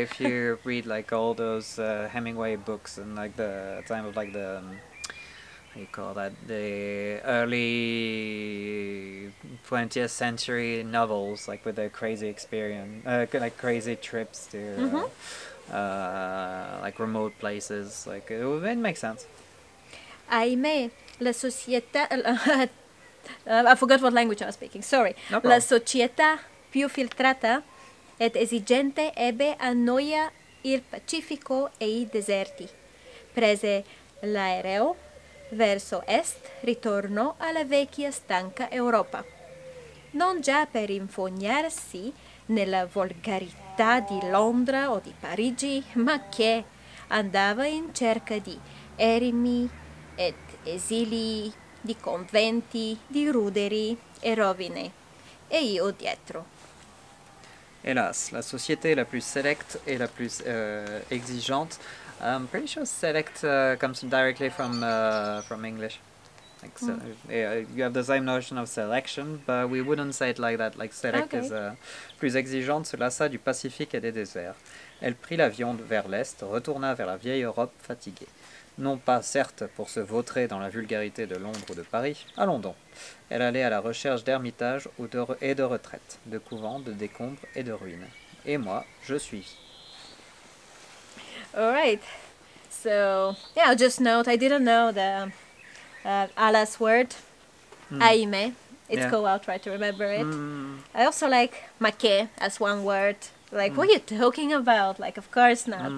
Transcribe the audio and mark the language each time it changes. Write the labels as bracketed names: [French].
[English] If you read like all those Hemingway books and like the time of like the, how you call that, the early 20th century novels, like with their crazy experience, like crazy trips to like remote places. Like it makes sense. [French] Aimé la société. [English] I forgot what language I was speaking, sorry. No problem. [Italian] La società più filtrata et esigente ebbe a noia il Pacifico e I deserti. Prese l'aereo verso est, ritornò alla vecchia stanca Europa. Non già per infognarsi nella volgarità di Londra o di Parigi, ma che andava in cerca di eremi et esili, di conventi, di ruderi e rovine, e io dietro. [French] Hélas, la société la plus sélecte et la plus exigeante. [English] I'm pretty sure select comes directly from English. Like, so, yeah, you have the same notion of selection, but we wouldn't say it like that. Like select is [French] plus exigeante, se lassa du Pacifique et des déserts. Elle prit l'avion vers l'est, retourna vers la vieille Europe fatiguée. Non pas, certes, pour se vautrer dans la vulgarité de Londres ou de Paris. Allons donc. Elle allait à la recherche d'ermitages et de retraites, de couvents, de décombres et de ruines. Et moi, je suis. [English] All right. So, yeah, I'll just note, I didn't know the Alas word. Aimé. It's cool, I'll try to remember it. I also like maqué as one word. Like, what are you talking about? Like, of course not.